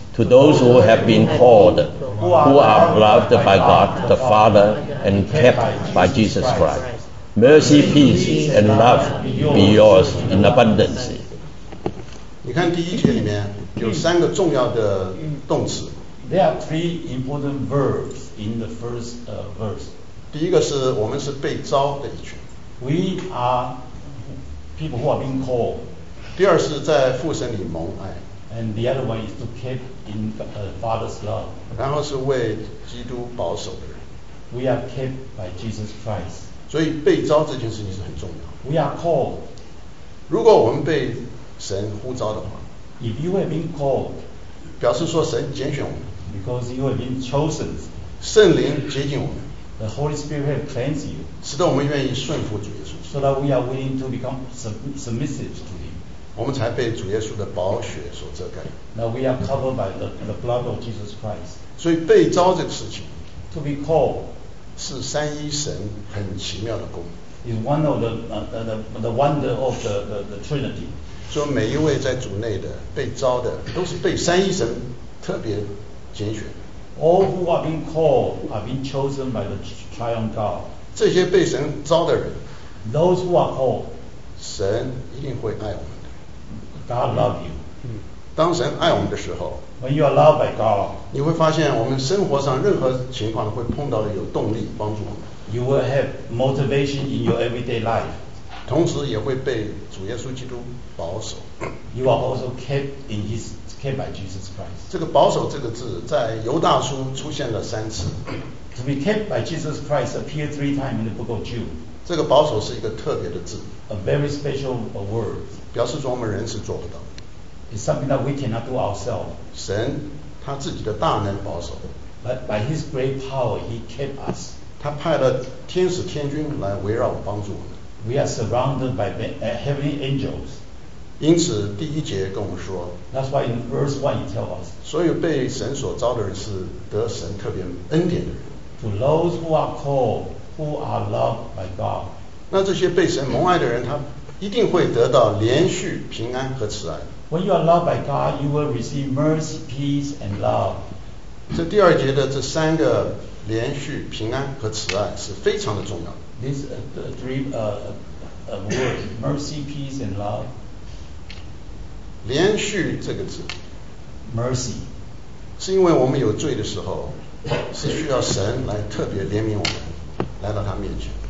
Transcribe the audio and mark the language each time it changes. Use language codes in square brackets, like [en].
[en] To those who have been called, who are loved by God the Father and kept by Jesus Christ, mercy, peace, and love be yours in abundance. [zh] 你看第一节里面有三个重要的动词。 [en] There are three important verbs in the first verse. [zh] 第一个是我们是被召的一群。 [en] We are people who are being called. [zh] 第二是在父神里蒙爱。 [en] And the other one is to keep in Father's love. [zh] 然后是为基督保守的人。 [en] We are kept by Jesus Christ. [zh] 所以被召这件事情是很重要。 [en] We are called. [zh] 如果我们被神呼召的话。 [en] If you have been called. [zh] 表示说神拣选我们。 [en] Because you have been chosen. [zh] 圣灵接近我们。 [en] The Holy Spirit has cleansed you. [zh] 使得我们愿意顺服主耶稣。 [en] So that we are willing to become submissive to him. [zh] 我们才被主耶稣的宝血所遮盖。 [en] Now we are covered by the blood of Jesus Christ. [zh] 所以被召这个事情 [en] ，to be called， [zh] 是三一神很奇妙的功。 [en] Is one of the wonder of the Trinity. [zh] 所以每一位在主内的被召的，都是被三一神特别拣选。 [en] All who are being called are being chosen by the Triune God. [zh] 这些被神召的人 [en] ，those who are called， [zh] 神一定会爱我们。 [en] God love you. [zh] 当神爱我们的时候 [en] ，When you are loved by God, [zh] 你会发现我们生活上任何情况会碰到的有动力帮助我们。 [en] You will have motivation in your everyday life. [zh] 同时也会被主耶稣基督保守。 [en] You are also kept by Jesus Christ. [zh] 这个保守这个字在犹大书出现了三次。 [en] To be kept by Jesus Christ appeared three times in the book of Jude. [zh] 这个保守是一个特别的字。 [en] A very special word. [zh] 表示说我们人是做不到。 [en] It's something that we cannot do ourselves. [zh] 神他自己的大能保守。 [en] By his great power, he kept us. [zh] 他派了天使天君来围绕帮助我们。 [en] We are surrounded by heavenly angels. [zh] 因此第一节跟我们说。 [en] That's why in verse 1 he tells us. [zh] 所有被神所召的人是得神特别恩典的人。 [en] To those who are called, who are loved by God. [zh] 那这些被神蒙爱的人，他一定会得到连续平安和慈爱。 [en] When you are loved by God, you will receive mercy, peace, and love. [zh] 这第二节的这三个连续平安和慈爱是非常的重要。 [en] These three words, mercy, peace, and love. [zh] 连续这个字 [en] ，mercy， [zh] 是因为我们有罪的时候，是需要神来特别怜悯我们，来到他面前。